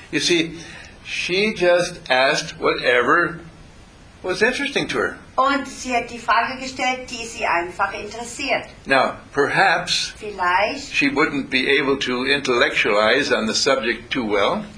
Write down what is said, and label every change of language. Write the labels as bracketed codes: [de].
[en] You see, she just asked whatever was interesting to her. [de] Und sie hat die Frage gestellt, die sie einfach interessiert. [en] Now, perhaps [de] vielleicht [en] she wouldn't be able to intellectualize on the subject too well.